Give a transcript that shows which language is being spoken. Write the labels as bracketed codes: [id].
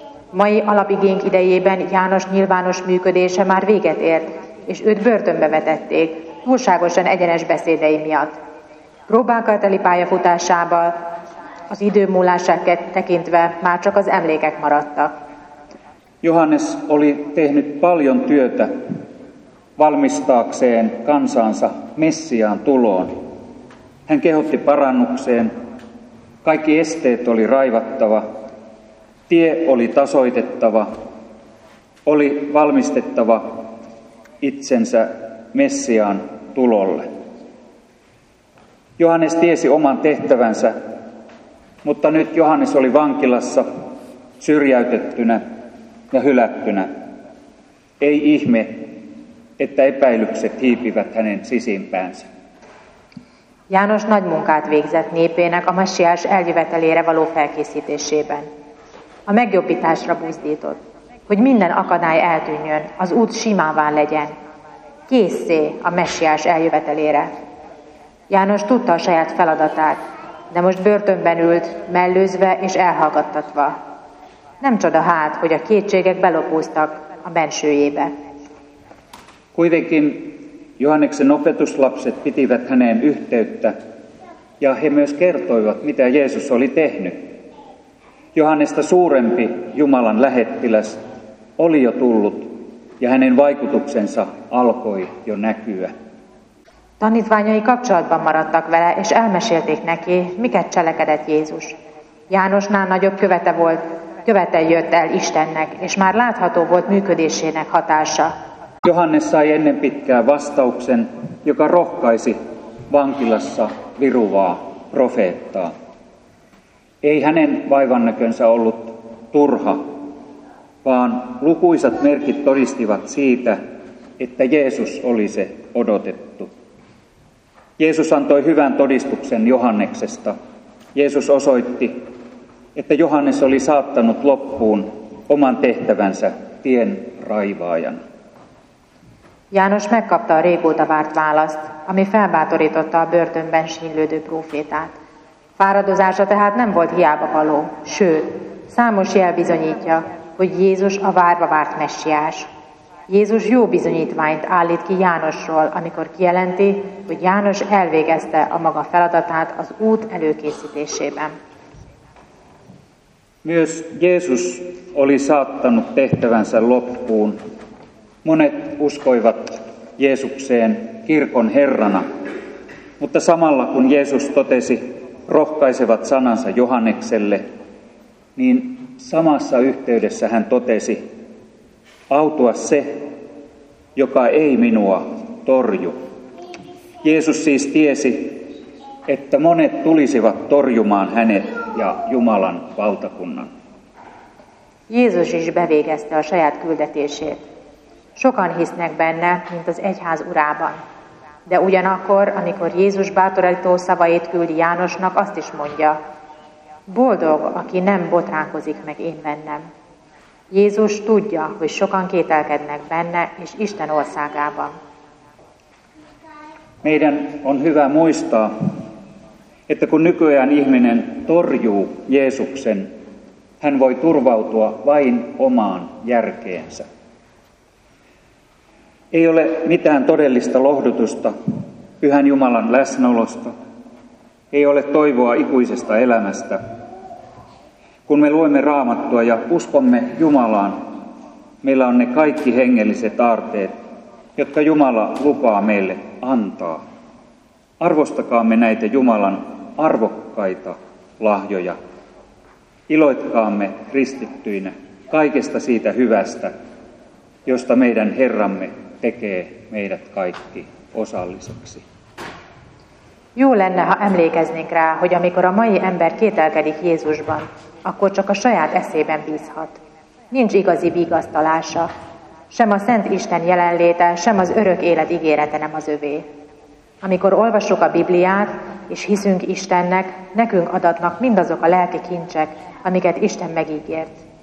[hu] Mai alapigénk idejében János nyilvános működése már véget ért, és őt börtönbe vetették, túlságosan egyenes beszédei miatt. Próbálkateli pályafutásával, az idő múlását tekintve már csak az emlékek maradtak. [fi] Johannes oli tehnyt paljon työtä valmistaakseen kansansa Messiaan tuloon. Hän kehotti parannukseen, kaikki esteet oli raivattava, tie oli tasoitettava, oli valmistettava itsensä Messiaan tulolle. Johannes tiesi oman tehtävänsä, mutta nyt Johannes oli vankilassa, syrjäytettynä ja hylättynä. Ei ihme, että epäilykset hiipivät hänen sisimpäänsä. [hu] János nagy munkát végzett népének a Messiás eljövetelére való felkészítésében. A megjobbításra buzdított, hogy minden akadály eltűnjön, az út simává legyen. Készé a Messiás eljövetelére. János tudta a saját feladatát, de most börtönben ült, mellőzve és elhallgattatva. Nem csoda hát, hogy a kétségek belopóztak a bensőjébe. [fi] Kuitenkin Johanneksen opetuslapset pitivät häneen yhteyttä, ja he myös kertoivat, mitä Jeesus oli tehnyt. Johannesta suurempi Jumalan lähettiläs oli jo tullut, ja hänen vaikutuksensa alkoi jo näkyä. [hu] Tanítványai kapcsolatban maradtak vele, és elmesélték neki, miket cselekedett Jézus. Jánosnál nagyobb követe volt, követe jött el Istennek, és már látható volt működésének hatása. [fi] Johannes sai ennen pitkää vastauksen, joka rohkaisi vankilassa viruvaa profeettaa. Ei hänen vaivannäkönsä ollut turha, vaan lukuisat merkit todistivat siitä, että Jeesus oli se odotettu. Jeesus antoi hyvän todistuksen Johanneksesta. Jeesus osoitti, että Johannes oli saattanut loppuun oman tehtävänsä tien raivaajana. [hu] János megkapta a régóta várt választ, ami felbátorította a börtönben sínlődő prófétát. Fáradozása tehát nem volt hiába való, sőt, számos jel bizonyítja, hogy Jézus a várva várt messiás. Jézus jó bizonyítványt állít ki Jánosról, amikor kijelenti, hogy János elvégezte a maga feladatát az út előkészítésében. [fi] Myös Jézus oli saattanut tehtävänsä loppuun. Monet uskoivat Jeesukseen kirkon herrana, mutta samalla kun Jeesus totesi rohkaisevat sanansa Johannekselle, niin samassa yhteydessä hän totesi, autua se, joka ei minua torju. Jeesus siis tiesi, että monet tulisivat torjumaan hänet ja Jumalan valtakunnan. [hu] Jeesus is bevégezte a saját küldetését. Sokan hisznek benne, mint az egyház urában. De ugyanakkor, amikor Jézus bátorító szavait küldi Jánosnak, azt is mondja, boldog, aki nem botránkozik meg én bennem. Jézus tudja, hogy sokan kételkednek benne és Isten országában. [fi] Meidän on hyvä muistaa, että kun nykyään ihminen torjuu Jeesuksen, hän voi turvautua vain omaan järkeensä. Ei ole mitään todellista lohdutusta Pyhän Jumalan läsnäolosta, ei ole toivoa ikuisesta elämästä. Kun me luemme Raamattua ja uskomme Jumalaan, meillä on ne kaikki hengelliset aarteet, jotka Jumala lupaa meille antaa. Arvostakaamme näitä Jumalan arvokkaita lahjoja. Iloitkaamme kristittyinä kaikesta siitä hyvästä, josta meidän Herramme tekee meidät kaikki osalliseksi. [hu] Jó lenne, ha emlékeznénk rá, hogy amikor a mai ember kételkedik Jézusban, akkor csak a saját eszében bízhat. Nincs igazi vigasztalása. Sem a Szent Isten jelenléte, sem az örök élet ígérete nem az övé. Amikor olvassuk a Bibliát, és hiszünk Istennek, nekünk adatnak mindazok a lelki kincsek, amiket Isten megígért.